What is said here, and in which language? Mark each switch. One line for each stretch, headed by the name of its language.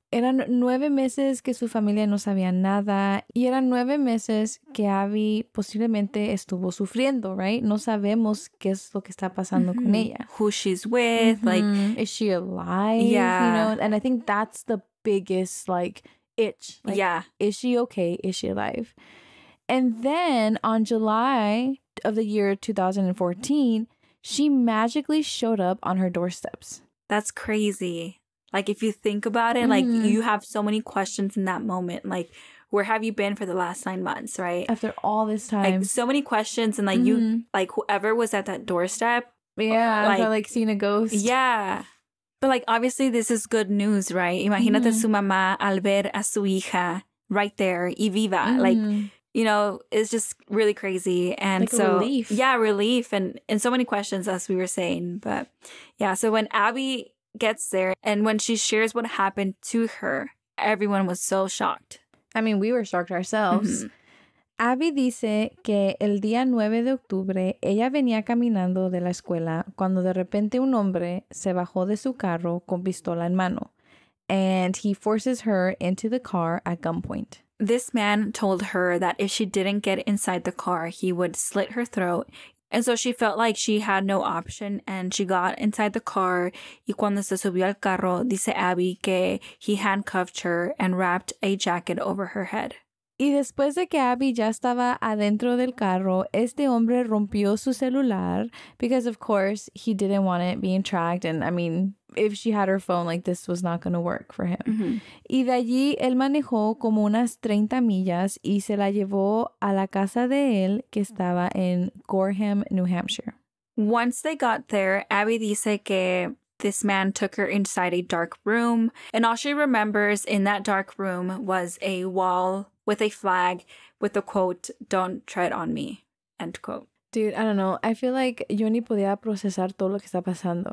Spanish: Eran 9 meses que su familia no sabía nada y eran 9 meses que Abby posiblemente estuvo sufriendo,
English: right?
Spanish: No sabemos qué es lo que está pasando con ella.
English: Who she's with, is she alive? Yeah. You know, and I think that's the biggest, itch. Is she okay? Is she alive? And then on July of the year 2014, she magically showed up on her doorsteps. That's crazy. If you think about it, you have so many questions in that moment. Where have you been for the last 9 months, right? After all this time. So many questions. And, whoever was at that doorstep. Yeah, I seen a ghost. Yeah. But, obviously, this is good news, right?
Spanish: Imagínate su mamá al ver a su hija
English: right there
Spanish: y viva. Mm-hmm.
English: You know, it's just really crazy. And a relief. Yeah, relief. And so many questions, as we were saying. But, yeah, so when Abby gets there and when she shares what happened to her, everyone was so shocked. I mean, we were shocked ourselves. Mm-hmm.
Spanish: Abby dice que el día 9 de octubre ella venía caminando de la escuela cuando de repente un hombre se bajó de su carro con pistola en mano.
English: And he forces her into the car at gunpoint. This man told her that if she didn't get inside the car, he would slit her throat. And so she felt like she had no option and she got inside the car.
Spanish: Y cuando se subió al carro, dice Abby que
English: he handcuffed her and wrapped a jacket over her head.
Spanish: Y después de que Abby ya estaba adentro del carro, este hombre rompió su celular
English: because, of course, he didn't want it being tracked. And, I mean, if she had her phone, this was not going to work for him. Mm-hmm.
Spanish: Y de allí, él manejó como unas 30 millas y se la llevó a la casa de él que estaba en Gorham, New Hampshire.
English: Once they got there, Abby
Spanish: dice que
English: this man took her inside a dark room. And all she remembers in that dark room was a wall with a flag with the quote, "Don't tread on me," end quote. Dude, I don't know. I feel like
Spanish: yo ni podía procesar todo lo que está pasando.